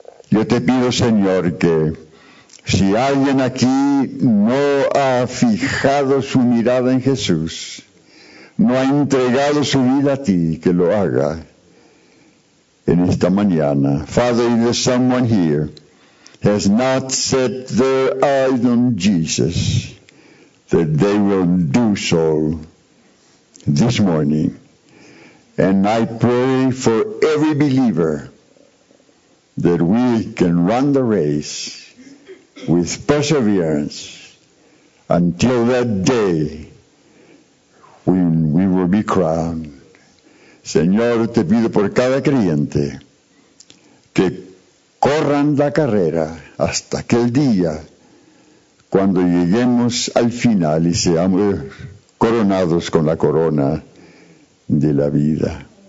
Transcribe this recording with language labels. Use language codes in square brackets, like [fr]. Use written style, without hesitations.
[es] Yo te pido, Señor, que si alguien aquí no ha fijado su mirada en Jesús, no ha entregado su vida a ti, que lo haga en esta mañana. [en] Father, if there's someone here has not set their eyes on Jesus, that they will do so this morning. And I pray for every believer that we can run the race with perseverance until that day when we will be crowned. [es] Señor, te pido por cada creyente que corran la carrera hasta aquel día cuando lleguemos al final y seamos coronados con la corona de la vida.